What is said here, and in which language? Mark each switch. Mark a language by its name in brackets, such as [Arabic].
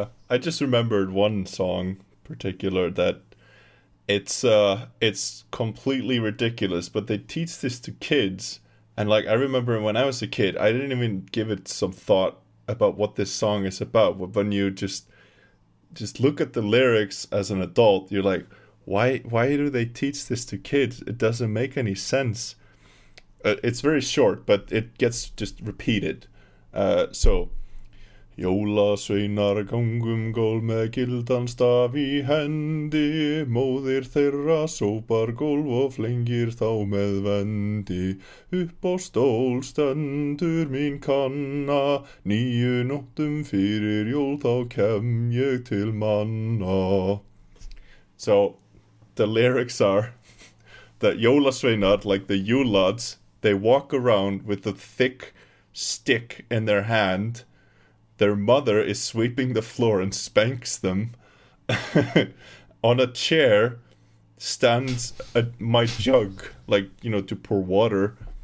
[English] I just remembered one song in particular that it's completely ridiculous, but they teach this to kids, and like I remember when I was a kid, I didn't even give it some thought about what this song is about. But when you just look at the lyrics as an adult, you're like, why do they teach this to kids? It doesn't make any sense. It's very short, but it gets just repeated. [Icelandic] So, Jólasveinar gangum gól með gildan staf í hendi, móðir þeirra sópar gólf og flengir þá með vendi. Upp á stól stendur mín kanna, níu nóttum fyrir jól þá kem ég til manna. [English] So, the lyrics are that Jólasveinar, like the Yule lads, they walk around with a thick stick in their hand. Their mother is sweeping the floor and spanks them. On a chair stands my jug, like, you know, to pour water.